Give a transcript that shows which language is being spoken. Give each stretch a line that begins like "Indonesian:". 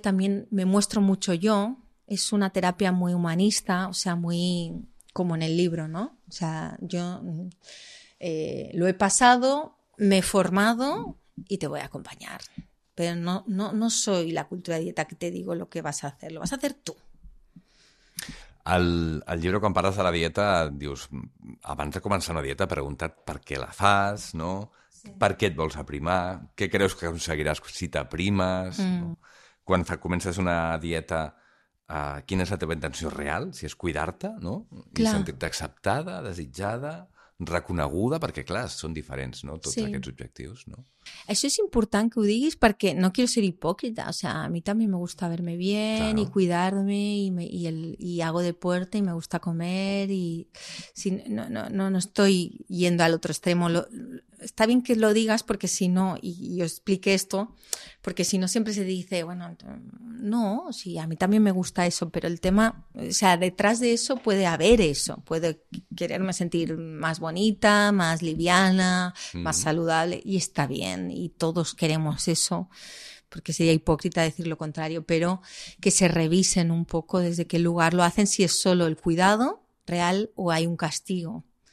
Spanish: También me muestro mucho yo. Es una terapia muy humanista, o sea, muy como en el libro, ¿no? O sea, yo lo he pasado, me he formado y te voy a acompañar. Pero no soy la cultura de dieta que te digo lo que vas a hacer. Lo vas a hacer tú.
Catalan: Al llibre, quan parles de la dieta, dius, abans de començar una dieta, pregunta't per què la fas, no? Sí. Per què et vols aprimar? Què creus que aconseguiràs si t'aprimes? No? Quan comences una dieta, quina és la teva intenció real? Si és cuidar-te, no? Clar. I sentir-te acceptada, desitjada, reconeguda, perquè, clar, són diferents, no? Tots sí. Aquests objectius, no? Això és important que ho diguis, perquè
Spanish: no quiero ser hipócrita. O sea, a mi també me gusta verme bien, claro. Y cuidarme y hago deporte y me gusta comer y si, no estoy yendo al otro extremo. Está bien que lo digas, porque si no, y yo explique esto, porque si no siempre se dice, bueno, no, sí, a mí también me gusta eso, pero el tema, o sea, detrás de eso puede haber eso, puede quererme sentir más bonita, más liviana, más saludable, y está bien, y todos queremos eso, porque sería hipócrita decir lo contrario, pero que se revisen un poco desde qué lugar lo hacen, si es solo el cuidado real o hay un castigo.